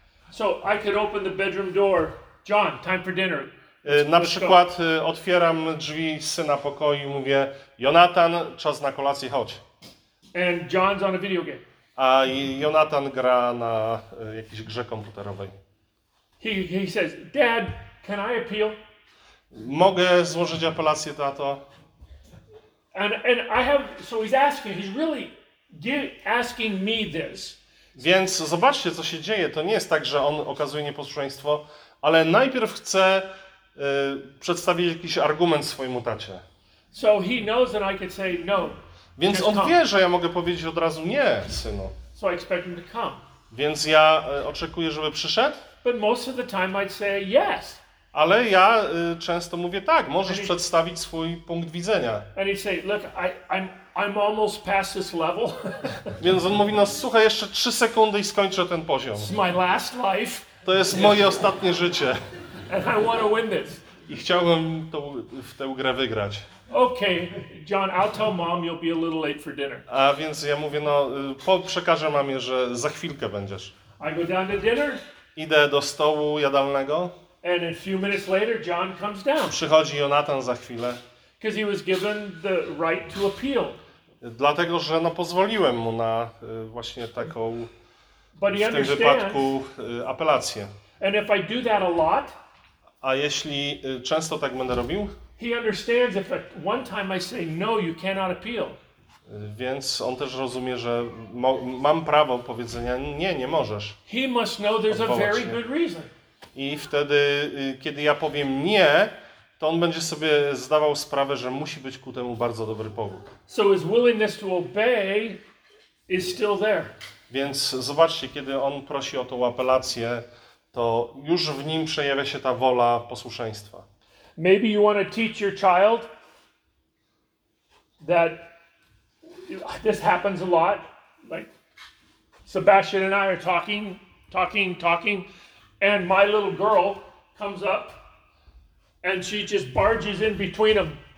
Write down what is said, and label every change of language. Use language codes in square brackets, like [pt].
[en] So I could open the bedroom door. John, time for dinner. [pl] Na przykład otwieram drzwi syna pokoju i mówię, Jonatan, czas na kolację, chodź. [en] And John's on a video game. [pl] A Jonatan gra na jakiejś grze komputerowej. [en] He says, Dad, can I appeal? [pl] Mogę złożyć apelację, tato? [en] And I have, so he's asking, he's really asking me this. [pl] Więc zobaczcie, co się dzieje. To nie jest tak, że on okazuje nieposłuszeństwo, ale najpierw chce przedstawić jakiś argument swojemu tacie. [en] So he knows that I could say no. [pl] Więc on wie, że ja mogę powiedzieć od razu nie, synu. [en] So I expect him to come. [pl] Więc ja oczekuję, żeby przyszedł. [en] But most of the time I'd say yes. [pl] Ale ja często mówię tak, możesz przedstawić swój punkt widzenia. [en] And he'd say, look, I'm almost past this level. [pl] Więc on mówi, no słuchaj, jeszcze 3 sekundy i skończę ten poziom. [en] It's my last life. [pl] To jest moje ostatnie życie. [en] And I want to win this. [pl] I chciałbym to, w tę grę wygrać. [en] Okay, John, I'll tell mom you'll be a little late for dinner. [pl] A więc ja mówię, no przekażę mamie, że za chwilkę będziesz. [en] I go down to dinner. [pl] Idę do stołu jadalnego. [en] And a few minutes later, John comes down. [pl] Przychodzi Jonathan za chwilę. [en] Because he was given the right to appeal. [pl] Dlatego, że no pozwoliłem mu na właśnie taką But w tym understand. Wypadku apelację. [en] And if I do that a lot. [pl] A jeśli często tak będę robił? [en] He understands if at one time I say no, you cannot appeal. [pl] Więc on też rozumie, że mam prawo powiedzenia nie, nie możesz. [en] He must know there's a very good reason. [pl] I wtedy, kiedy ja powiem nie, to on będzie sobie zdawał sprawę, że musi być ku temu bardzo dobry powód. [en] So his willingness to obey is still there. [pl] Więc zobaczcie, kiedy on prosi o tą apelację, to już w nim przejawia się ta wola posłuszeństwa. [en] Maybe you want to teach your child that this happens a lot. Like Sebastian and I are talking, and my little girl comes up and she just barges in between them.